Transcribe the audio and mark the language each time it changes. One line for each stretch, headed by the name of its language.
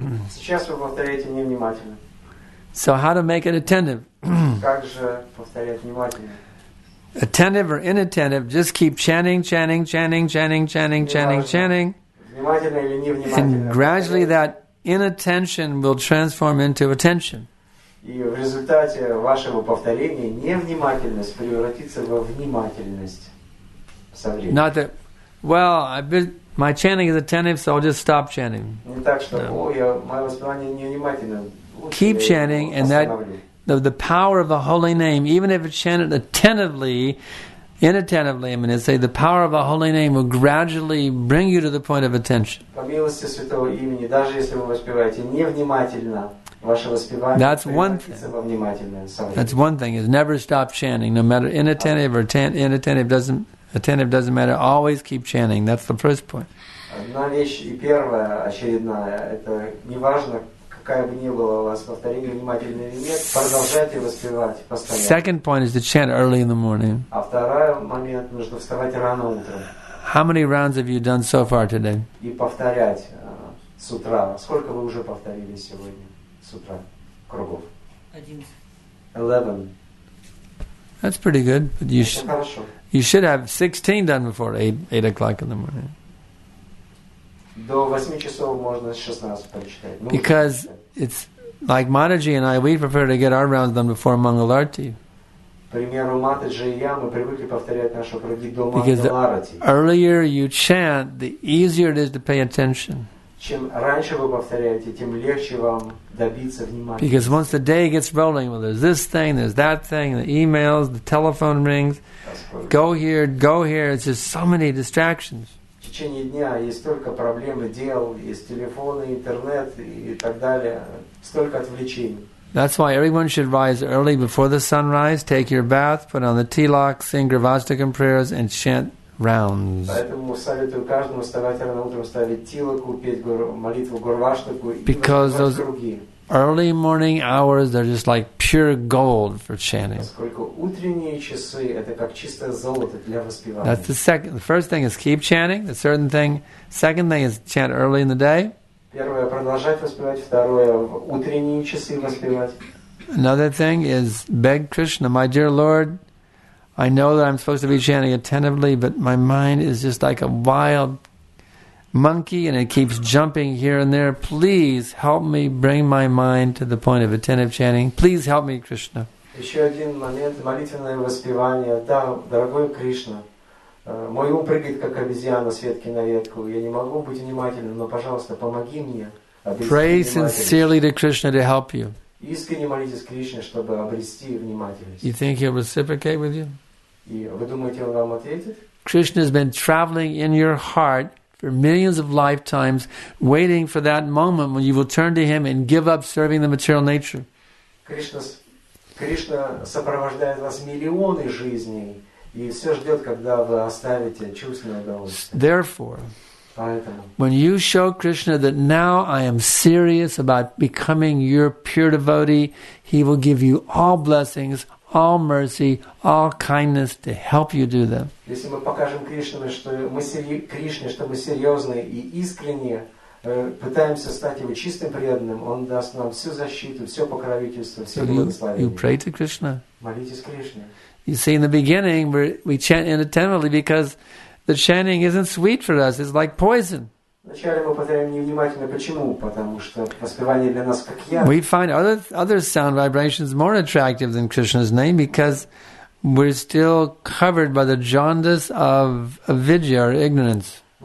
Russian: Сейчас вы повторяете невнимательно.
English: So how to make it attentive?
Russian: Как же повторять внимательно?
English: attentive or inattentive, just keep chanting. And gradually that inattention will transform into attention.
Russian: И в результате вашего повторения невнимательность превратится во внимательность со временем.
English: Not that, well, my chanting is attentive, so I'll just stop chanting.
Russian: Не так, что,
English: no.
Russian: Мое воспевание невнимательно. Лучше
English: keep chanting, and that the power of the holy name, even if it's chanted attentively, inattentively, I mean, say the power of a holy name will gradually bring you to the point of attention.
Russian: По милости святого имени, даже если вы воспеваете невнимательно, ваше воспевание
English: That's one thing.
Russian: Во внимательное самое.
English: That's one thing. Is never stop chanting, no matter inattentive or inattentive doesn't attentive doesn't matter. Always keep chanting. That's the first point.
Russian: Одна вещь и первая очередная. Это неважно, какая бы ни была у вас повторение внимательное или нет, продолжайте воспевать постоянно.
English: Second point is to chant early in the morning.
Russian: А второй момент нужно вставать рано утром.
English: How many rounds have you done so far today?
Russian: И повторять с утра. Сколько вы уже повторили сегодня?
English: Eleven. That's pretty good. But you should have 16 done before 8 o'clock in the morning. Because it's like Mataji and I, we prefer to get our rounds done before Mangalarti. Because the earlier you chant, the easier it is to pay attention.
Russian: Чем раньше вы повторяете, тем легче вам добиться внимания.
English: Because once the day gets rolling, well, there's this thing, there's that thing, the emails, the telephone rings, go here, it's just so many distractions.
Russian: В течение дня есть столько проблем и дел, есть телефоны, интернет и так далее, столько отвлечений.
English: That's why everyone should rise early before the sunrise, take your bath, put on the tilak, sing Gravastakam prayers, and chant rounds.
Russian: Поэтому советую каждому вставать рано утром, ставить тилаку, петь молитву Гурваштаку.
English: Because those early morning hours are just like pure gold for chanting.
Russian: Поскольку утренние часы это как чистое золото для воспевания.
English: That's the second. The first thing is keep chanting. The certain thing. Second thing is chant early in the day.
Russian: Первое продолжать воспевать. Второе в утренние часы воспевать.
English: Another thing is beg Krishna, my dear Lord. I know that I'm supposed to be chanting attentively, but my mind is just like a wild monkey and it keeps jumping here and there. Please help me bring my mind to the point of attentive chanting. Please help me, Krishna.
Russian: Еще один момент, молитвенное воспевание. Да, дорогой Кришна, мой ум прыгает как обезьяна с ветки на ветку. Я не могу быть внимательным, но, пожалуйста, помоги мне.
English: Pray sincerely to Krishna to help you.
Russian: Искренне молитесь Кришне, чтобы обрести внимательность.
English: You think he'll reciprocate with you?
Russian: И вы думаете, он вам ответит?
English: Krishna has been traveling in your heart for millions of lifetimes, waiting for that moment when you will turn to him and give up serving the material nature.
Russian: Кришна сопровождает вас миллионы жизней и все ждет, когда вы оставите чувственное удовольствие.
English: Therefore, when you show Krishna that now I am serious about becoming your pure devotee, he will give you all blessings, all mercy, all kindness to help you do them.
Russian: Если мы покажем Кришне, что мы серьезные и искренние пытаемся стать его чистым преданным, он даст нам всю защиту, все покровительство, все благословение.
English: You pray to Krishna.
Russian: Молитесь Кришне.
English: You see, in the beginning, we chant inattentively because the chanting isn't sweet for us, it's like poison. We find other sound vibrations more attractive than Krishna's name because we're still covered by the jaundice of avidya or ignorance.